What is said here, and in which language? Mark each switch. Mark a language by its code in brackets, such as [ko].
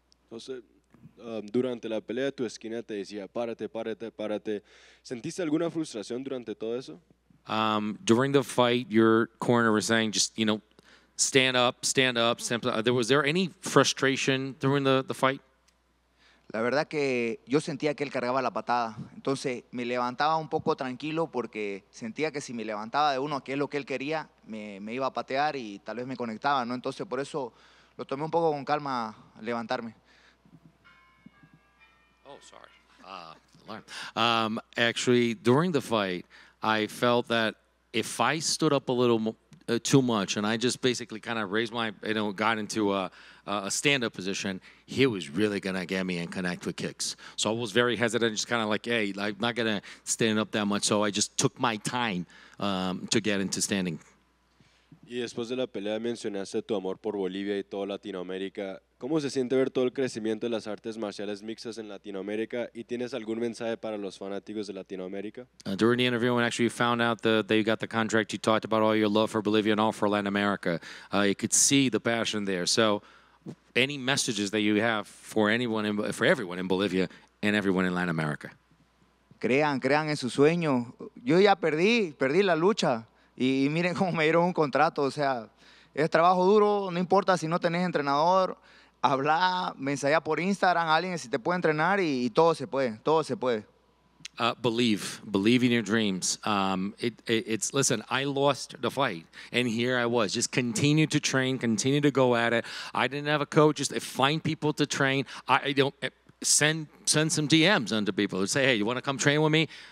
[es] José, durante la pelea tu esquina te decía, párate, párate, párate. ¿Sentiste alguna frustración durante todo eso? [en] During the fight, your corner was saying, just, you know, stand up, was there any frustration during the fight? [es] La verdad que yo sentía que él cargaba la patada. Entonces me levantaba un poco tranquilo porque sentía que si me levantaba de uno, que es lo que él quería, me iba a patear y tal vez me conectaba, ¿no? Entonces por eso lo tomé un poco con calma levantarme. [en] Oh, sorry. Actually, during the fight, I felt that if I stood up a little too much and I just basically kind of raised my, you know, got into a stand-up position, he was really going to get me and connect with kicks. So I was very hesitant, just kind of like, hey, I'm not going to stand up that much. So I just took my time to get into standing. [es] Y después de la pelea mencionaste tu amor por Bolivia y toda Latinoamérica. ¿Cómo se siente ver todo el crecimiento de las artes marciales mixtas en Latinoamérica? ¿Y tienes algún mensaje para los fanáticos de Latinoamérica? [en] During the interview, when actually you found out that you got the contract, you talked about all your love for Bolivia and all for Latin America. You could see the passion there. So any messages that you have for anyone, for everyone in Bolivia and everyone in Latin America? [es] Crean, crean en su sueño. Yo ya perdí la lucha. Y miren cómo me dieron un contrato, o sea, es trabajo duro, no importa si no tenés entrenador, habla, mensajea por Instagram a alguien si te puede entrenar y todo se puede, todo se puede. [en] Believe in your dreams. Listen, I lost the fight, and here I was. Just continue to train, continue to go at it. I didn't have a coach, just find people to train. Send some DMs onto people and say, hey, you want to come train with me?